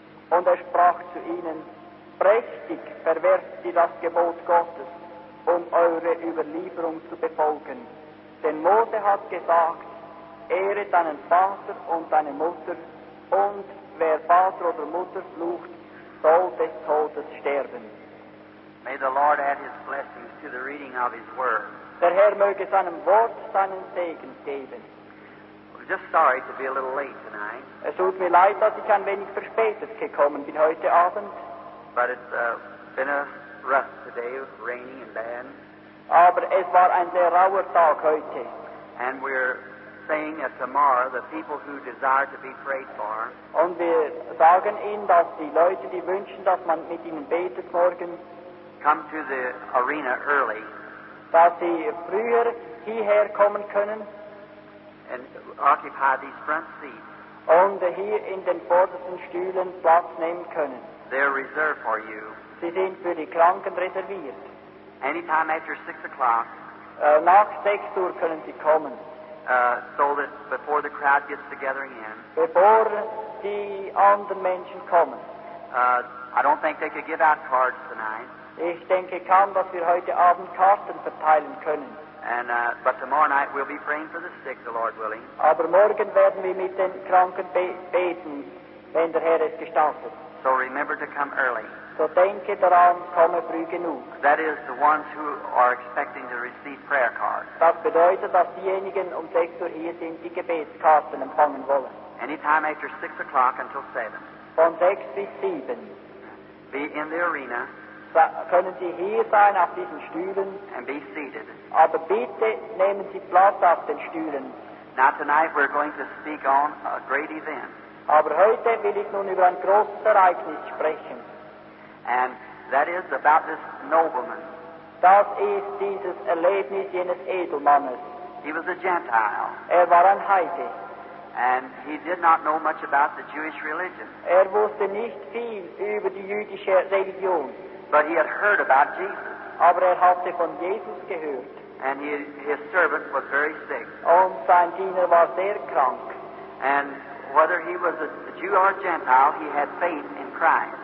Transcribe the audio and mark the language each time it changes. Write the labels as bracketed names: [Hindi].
[German] Und er sprach zu ihnen, prächtig verwerft ihr das Gebot Gottes, um eure Überlieferung zu befolgen. Denn Mose hat gesagt, Ehre deinen Vater und deine Mutter, und wer Vater oder Mutter flucht, soll des Todes sterben. [English] May the Lord add his blessings to the reading of his word. [German] Der Herr möge seinem Wort seinen Segen geben. [English] I'm just sorry to be a little late tonight. [German] Es tut mir leid, dass ich ein wenig verspätet gekommen bin heute Abend. [English] But it's been a rough today, raining and bad. [German] Aber es war ein sehr rauer Tag heute. [English] And we're saying that tomorrow the people who desire to be prayed for. [German] Und wir sagen ihnen, dass die Leute, die wünschen, dass man mit ihnen betet morgen, [English] come to the arena early. [German] Dass sie früher hierher kommen können. [English] And occupy these front seats. [German] Und hier in den vordersten Stühlen Platz nehmen können. [English] They're reserved for you. [German] Sie sind für die Kranken reserviert. [English] Anytime after 6 o'clock. [German] Nach 6 Uhr können sie kommen. [English] So that before the crowd gets together again. [German] Bevor die anderen Menschen kommen. [English] I don't think they could give out cards tonight. [German] Ich denke kaum, dass wir heute Abend Karten verteilen können. [English] And, but tomorrow night we'll be praying for the sick, the Lord willing. [German] Aber morgen werden wir mit den Kranken beten, wenn der Herr es gestattet. [English] So remember to come early. [German] So denke daran, komme früh genug. [English] That is the ones who are expecting to receive prayer cards. [German] Das bedeutet, dass diejenigen um 6 Uhr hier sind, die Gebetskarten empfangen wollen. [English] Anytime after 6 o'clock until 7. [German] Von 6 bis 7. [English] Be in the arena. [German] Können Sie hier sein auf diesen Stühlen? [English] And be seated. [German] Aber bitte nehmen Sie Platz auf den Stühlen. [English] Now tonight we're going to speak on a great event. [German] Aber heute will ich nun über ein großes Ereignis sprechen. [English] And that is about this nobleman. [German] Das ist dieses Erlebnis jenes Edelmannes. [English] He was a Gentile. [German] Er war ein Heide. [English] And he did not know much about the Jewish religion. [German] Er wusste nicht viel über die jüdische Religion. [English] But he had heard about Jesus. [German] Aber er hatte von Jesus gehört. [English] And his servant was very sick. [German] Und sein Diener war sehr krank. [English] And whether he was a Jew or a Gentile, he had faith in Christ.